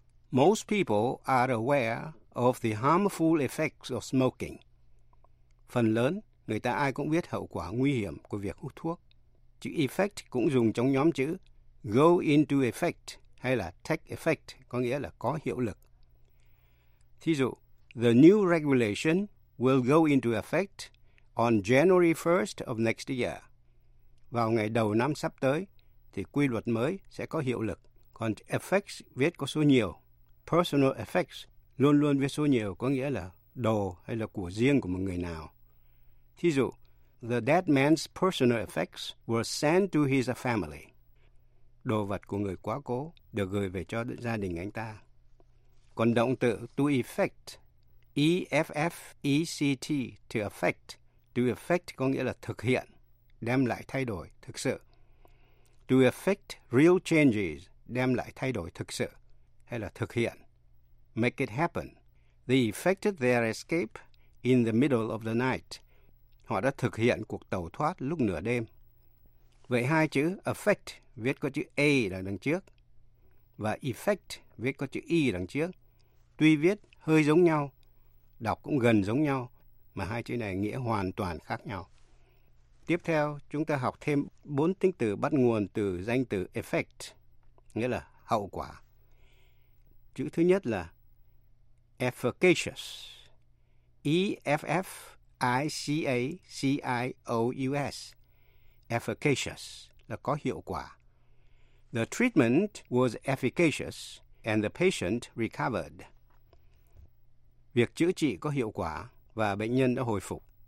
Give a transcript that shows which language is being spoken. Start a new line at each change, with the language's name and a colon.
English: Most people are aware of the harmful effects of smoking.
Vietnamese: Phần lớn, người ta ai cũng biết hậu quả nguy hiểm của việc hút thuốc. Chữ effect cũng dùng trong nhóm chữ
English: go into effect
Vietnamese: hay là
English: take effect,
Vietnamese: có nghĩa là có hiệu lực. Thí dụ,
English: the new regulation will go into effect on January 1st of next year.
Vietnamese: Vào ngày đầu năm sắp tới, thì quy luật mới sẽ có hiệu lực. Còn effects viết có số nhiều.
English: Personal effects
Vietnamese: luôn luôn viết số nhiều, có nghĩa là đồ hay là của riêng của một người nào. Thí dụ,
English: the dead man's personal effects were sent to his family.
Vietnamese: Đồ vật của người quá cố được gửi về cho gia đình anh ta. Còn động từ
English: to effect,
Vietnamese: E-F-F-E-C-T,
English: to affect. To effect
Vietnamese: có nghĩa là thực hiện, đem lại thay đổi, thực sự.
English: To effect real changes,
Vietnamese: đem lại thay đổi thực sự, hay là thực hiện.
English: Make it happen. They effected their escape in the middle of the night.
Vietnamese: Họ đã thực hiện cuộc tẩu thoát lúc nửa đêm. Vậy hai chữ affect viết có chữ A là đằng trước. và effect viết có chữ Y đằng trước. Tuy viết hơi giống nhau, đọc cũng gần giống nhau, mà hai chữ này nghĩa hoàn toàn khác nhau. Tiếp theo, chúng ta học thêm bốn tính từ bắt nguồn từ danh từ effect, nghĩa là hậu quả. Chữ thứ nhất là efficacious, E-F-F-I-C-A-C-I-O-U-S, efficacious, là có hiệu quả.
English: The treatment was efficacious and the patient recovered.
Vietnamese: Việc chữa trị có hiệu quả và bệnh nhân đã hồi phục.